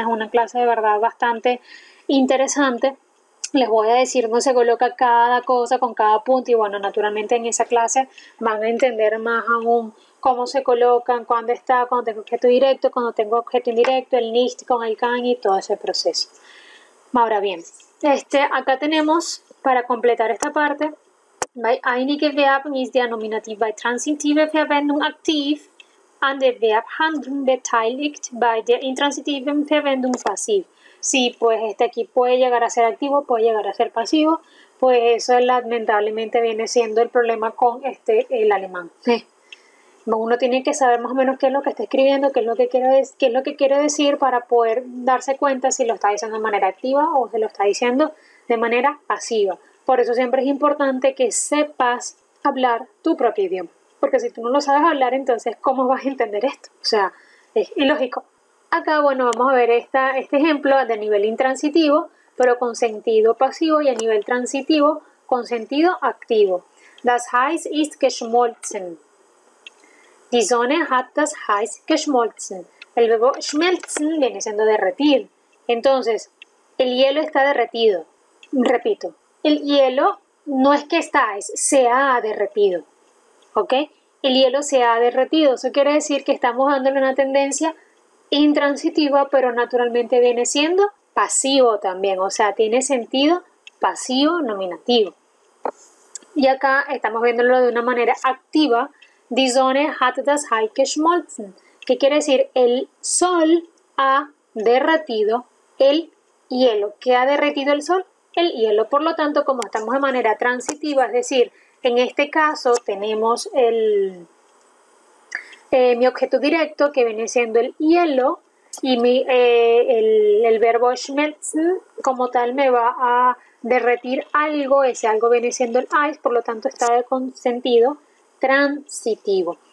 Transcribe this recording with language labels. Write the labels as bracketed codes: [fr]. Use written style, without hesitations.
[es] Es una clase de verdad bastante interesante. Les voy a decir dónde se coloca cada cosa con cada punto y bueno, naturalmente en esa clase van a entender más aún cómo se colocan, cuándo está, cuando tengo objeto directo, cuando tengo objeto indirecto, el nicht con el kann y todo ese proceso. Ahora bien, acá tenemos para completar esta parte, [de] bei einige Verben ist der Nominativ bei transitive Verwendung aktiv an der Verbhandlung beteiligt bei der intransitiven Verwendung passiv. [es] Sí, pues aquí puede llegar a ser activo, puede llegar a ser pasivo, pues eso lamentablemente viene siendo el problema con el alemán. Uno tiene que saber más o menos qué es lo que está escribiendo, qué es lo que quiere decir para poder darse cuenta si lo está diciendo de manera activa o se lo está diciendo de manera pasiva. Por eso siempre es importante que sepas hablar tu propio idioma. Porque si tú no lo sabes hablar, entonces, ¿cómo vas a entender esto? O sea, es ilógico. Acá, bueno, vamos a ver este ejemplo de nivel intransitivo, pero con sentido pasivo, y a nivel transitivo con sentido activo. [de] Das Eis ist geschmolzen. Die Sonne hat das Eis geschmolzen. [es] El verbo schmelzen viene siendo derretir. Entonces, el hielo está derretido. Repito, el hielo no es que está, es se ha derretido. ¿Ok? El hielo se ha derretido. Eso quiere decir que estamos dándole una tendencia intransitiva, pero naturalmente viene siendo pasivo también. O sea, tiene sentido pasivo nominativo. Y acá estamos viéndolo de una manera activa. [de] Die Sonne hat das Eis geschmolzen. [es] ¿Qué quiere decir? El sol ha derretido el hielo. ¿Qué ha derretido el sol? El hielo. Por lo tanto, como estamos de manera transitiva, es decir, en este caso tenemos mi objeto directo, que viene siendo el hielo, y el verbo schmelzen como tal me va a derretir algo, ese algo viene siendo el ice, por lo tanto está con sentido transitivo.